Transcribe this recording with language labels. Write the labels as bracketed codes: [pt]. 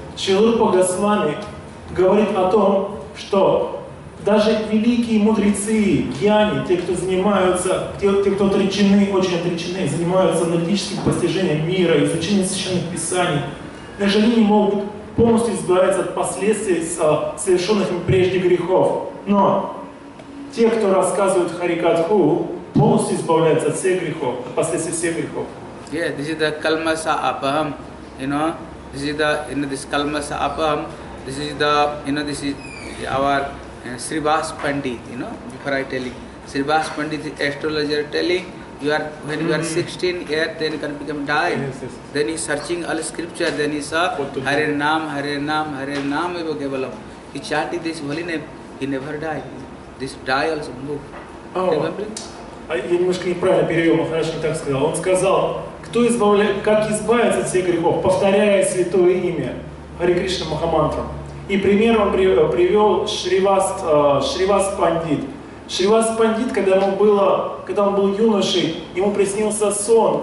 [ru] Чилурпа Госвами говорит о том, что даже великие мудрецы, гьяни, те, кто занимаются, те, кто отречены, очень отречены, занимаются аналитическим постижением мира, изучением священных писаний, даже они не могут полностью избавиться от последствий совершенных им прежде грехов. Но те, кто рассказывает Харикатху, полностью избавляются от всех грехов, от последствий всех грехов. [en] Yeah, this is the kalmasa apaham, you know. This is the, you know, this kalmasa apaham. This is the, you know, this is our Srivas Pandit, you know. Before I telling, Srivas Pandit, the astrologer telling, you are when you are 16 years, then you can become die. Yes, yes. Then he searching all scripture, then he saw Hare Nam, Hare Nam, Hare Nam, Eva Kevalam. He chanted this holy name, he never died. This die also move. [ru] Я немножко неправильно перевел, Махараш не так сказал. Он сказал, кто избавляет, как избавиться от всех грехов, повторяя святое имя Хари Кришна Махамантра. И пример он привел Шривас Пандит. Шривас Пандит, когда он был юношей, ему приснился сон.